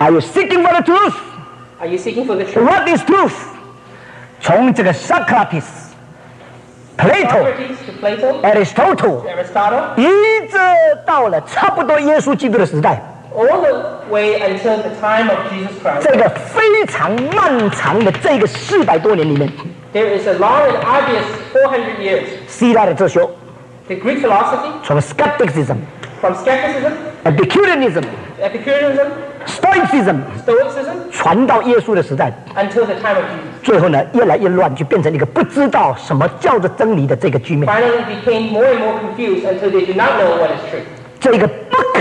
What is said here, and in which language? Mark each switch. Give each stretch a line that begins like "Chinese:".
English: Are you seeking for the truth? Are you seeking for the truth? What is truth?
Chinese: 从这个
English: Socrates, Plato, Socrates to Plato, Aristotle, to
Chinese: Aristotle, 一直到了差不多耶稣基督的时代。
English: All the way until the time of Jesus Christ.
Chinese: 这个非常漫长的这个400多年里面,
English: there is a long and obvious 400 years.
Chinese: 希腊的哲学,
English: the Greek philosophy. From skepticism. Epicureanism. Stoicism. Stoicism.
Chinese: 传到耶稣的时代,
English: until the time of Jesus.
Chinese: 最后呢，越来越乱, 就变成一个不知道什么叫做真理的这个局面.
English: Finally, became more and more confused until they do not know what is true.